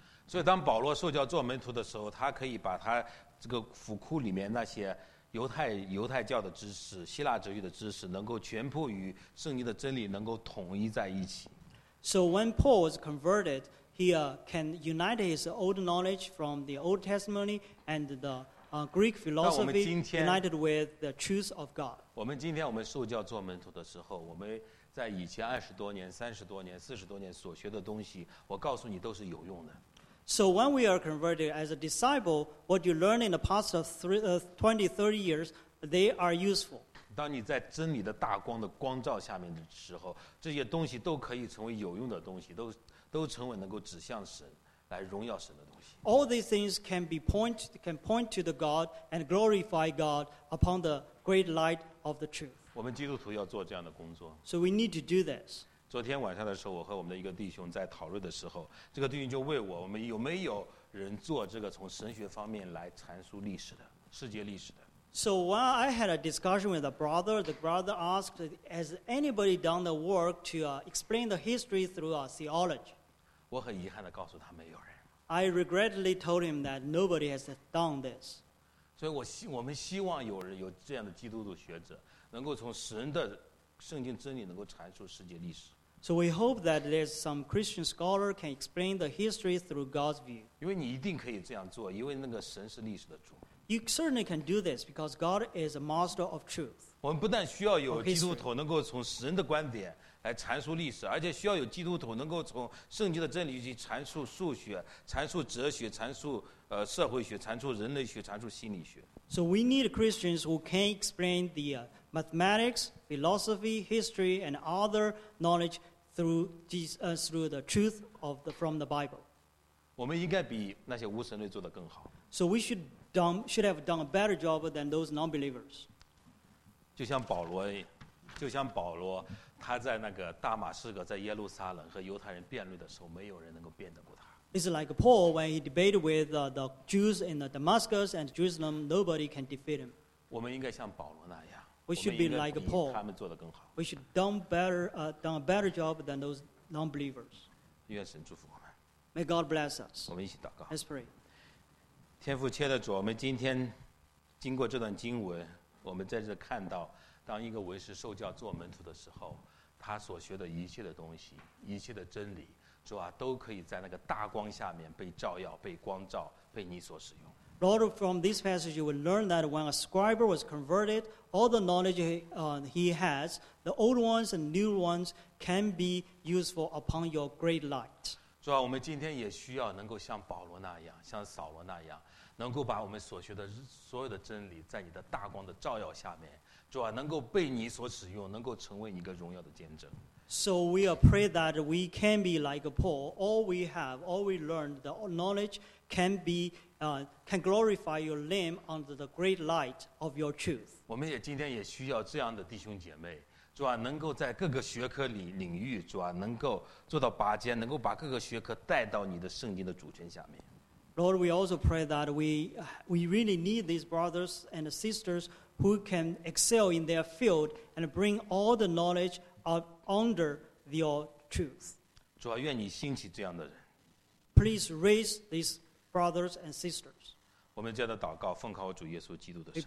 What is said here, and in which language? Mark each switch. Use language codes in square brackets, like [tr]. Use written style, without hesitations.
[zh] 所以当保罗受教做门徒的时候，他可以把他这个府库里面那些犹太教的知识、希腊哲学的知识，能够全部与圣经的真理能够统一在一起。 [en] So when Paul was converted. He can unite his old knowledge from the Old Testament and the Greek philosophy united with the truth of God. [zh] 我们今天我们受教做门徒的时候，我们在以前二十多年、三十多年、四十多年所学的东西，我告诉你都是有用的。 [en] So when we are converted as a disciple, what you learn in the past 20, 30 years, they are useful. [zh] 当你在真理的大光的光照下面的时候，这些东西都可以成为有用的东西，都成为能够指向神来荣耀神的东西。 [en] All these things can point to the God and glorify God upon the great light of the truth. [zh] 我们基督徒要做这样的工作。 [en] So we need to do this. [zh] 昨天晚上的时候，我和我们的一个弟兄在讨论的时候，这个弟兄就问我们有没有人做这个从神学方面来阐述历史的世界历史的。 [en] So while I had a discussion with the brother asked, has anybody done the work to explain the history through theology? [zh] 我很遗憾地告诉他没有人。 [en] I regretfully told him that nobody has done this. [zh] 所以我们希望有人有这样的基督徒学者，能够从神的圣经真理能够阐述世界历史。 [en] So we hope that there's some Christian scholar can explain the history through God's view. [zh] 因为你一定可以这样做，因为那个神是历史的主。 [en] You certainly can do this because God is a master of truth. [zh] 我们不但需要有基督徒能够从神的观点来阐述历史，而且需要有基督徒能够从圣经的真理去阐述数学、阐述哲学、阐述社会学、阐述人类学、阐述心理学。 [en] So we need Christians who can explain the mathematics, philosophy, history, and other knowledge through the truth of from the Bible. [zh] 我们应该比那些无神论做得更好。 [en] So we should. Should have done a better job than those non-believers. [zh] 就像保罗，他在那个大马士革，在耶路撒冷和犹太人辩论的时候，没有人能够辩得过他。 [en] It's like Paul when he debated with the Jews in Damascus and Jerusalem, nobody can defeat him. [zh] 我们应该像保罗那样。 [en] We should be like Paul. [zh] 他们做得更好。 [en] We should done a better job than those non-believers. [zh] 愿神祝福我们。 [en] May God bless us. [zh] 我们一起祷告。 [en] Let's pray. [zh] 天父，亲爱的主，我们今天经过这段经文，我们在这看到，当一个文士受教做门徒的时候，他所学的一切的东西，一切的真理，主啊，都可以在那个大光下面被照耀、被光照、被你所使用。 [en] Lord, from this passage, you will learn that when a scribe was converted, all the knowledge he has, the old ones and new ones, can be useful upon your great light. [zh] 主啊，我们今天也需要能够像保罗那样，像扫罗那样，能够把我们所学的所有的真理，在你的大光的照耀下面，主啊，能够被你所使用，能够成为你一个荣耀的见证。 [en] So we pray that we can be like Paul. All we have, all we learned, the knowledge can glorify your name under the great light of your truth. [zh] 我们也今天也需要这样的弟兄姐妹，主啊，能够在各个学科领域，主啊，能够做到拔尖，能够把各个学科带到你的圣经的主权下面。 [en] Lord, we also pray that we really need these brothers and sisters who can excel in their field and bring all the knowledge under your truth. [zh] 主啊，愿你兴起这样的人。 [en] Please raise these brothers and sisters. [zh] 我们这样的祷告，奉靠主耶稣基督的圣